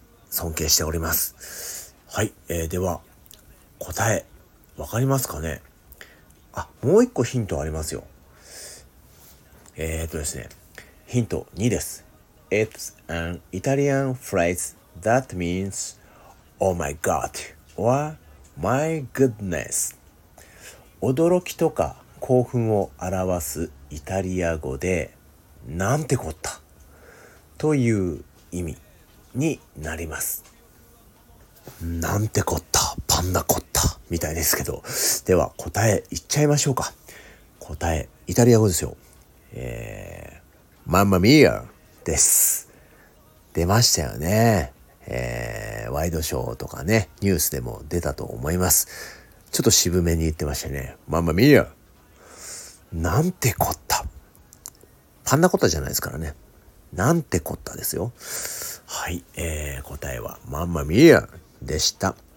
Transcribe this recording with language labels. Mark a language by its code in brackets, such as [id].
[ja] 尊敬しております。はい、では、答え、わかりますかね？あ、もう一個ヒントありますよ。ですね、ヒント2です。 [en] It's an Italian phrase that means Oh my God or My goodness. [ja] 驚きとか興奮を表すイタリア語でなんてこったという意味になります。なんてこったパンナコッタみたいですけど、では答え言っちゃいましょうか。答えイタリア語ですよ。 Mamma mia です。出ましたよね。ワイドショーとかね、ニュースでも出たと思います。ちょっと渋めに言ってましたね。ママミア。なんてこった。パンナコッタじゃないですからね。なんてこったですよ。はい、答えはママミアでした。